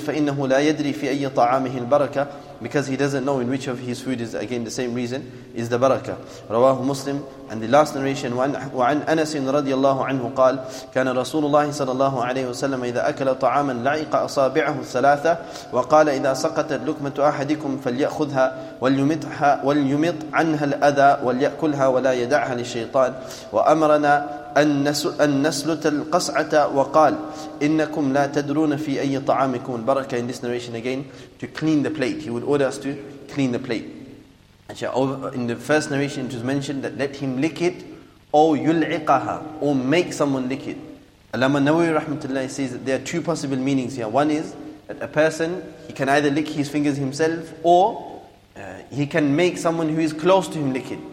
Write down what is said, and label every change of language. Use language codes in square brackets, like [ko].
[ar] فَإِنَّهُ لَا يَدْرِي فِي أَيَّ طَعَامِهِ الْبَرَكَةِ, [en] because he doesn't know in which of his food is, again the same reason, is the barakah. [ar] رواه مسلم. [en] And the last narration, [ar] وعن أنس رضي الله عنه قال كان رسول الله صلى الله عليه وسلم إذا أكل طعاما لعق أصابعه الثلاثة وقال إذا سقطت لقمة أحدكم فليأخذها وليمط عنها الأذى وليأكلها ولا يدعها للشيطان وأمرنا أن نسلت القصعة وقال إنكم لا تدرون في أي طعامكم البركة. [en] In this narration again, to clean the plate, he would order us to clean the plate. In the first narration, it was mentioned that let him lick it, or yul'iqaha, or make someone lick it. Allama Nawawi rahmatullahi says that there are two possible meanings here. One is that a person, he can either lick his fingers himself, or he can make someone who is close to him lick it.